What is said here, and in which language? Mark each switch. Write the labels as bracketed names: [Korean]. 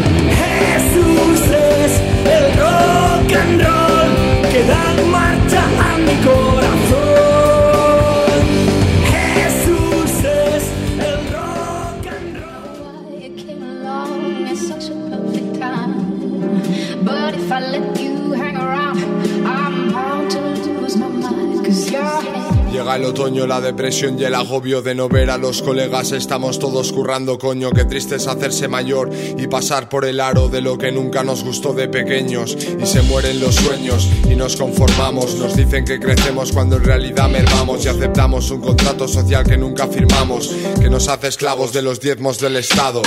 [Spanish] Jesús és el rock and roll que da en marcha a mi corazón. Jesús és el rock and roll. [English] You came along at such a perfect time, but if I let you hang around, I'm bound to lose my mind, cause you're... [Spanish] Llega el otoño, la depresión y el agobio de no ver a los colegas. Estamos todos currando, coño, qué triste es hacerse mayor y pasar por el aro de lo que nunca nos gustó de pequeños. Y se mueren los sueños y nos conformamos. Nos dicen que crecemos cuando en realidad mermamos y aceptamos un contrato social que nunca firmamos, que nos hace esclavos de los diezmos del Estado.